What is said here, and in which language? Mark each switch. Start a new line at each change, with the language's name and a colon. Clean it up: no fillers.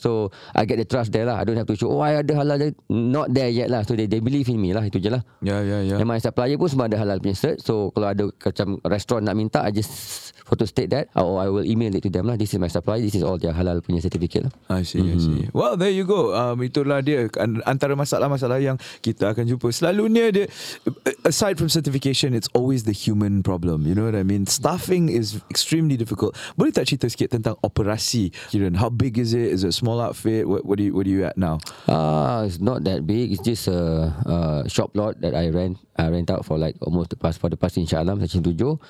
English: So I get the trust there lah. I don't have to show, oh I
Malay: ada halal je.
English: Not there yet lah. So they believe in me lah.
Malay: Itu je lah.
English: Yeah. And my supplier
Malay: pun semua ada halal punya
English: cert. So
Malay: kalau ada macam restoran nak minta,
English: I just photo state that, or I will email it to them lah. This is my supplier, this is all their halal punya certificate lah. I see. Well, there you go.
Malay: Itulah dia antara masalah-masalah yang kita akan jumpa. Selalunya dia,
English: aside from certification, it's always the human problem. You know what I mean? Staffing is extremely difficult.
Malay: Boleh tak cerita sikit tentang operasi,
English: Kieran? How big is it? Is it a small outfit? What are you at now? It's not that big. It's just a shop lot that I rent out for like almost for the past insyaAllah, section 7.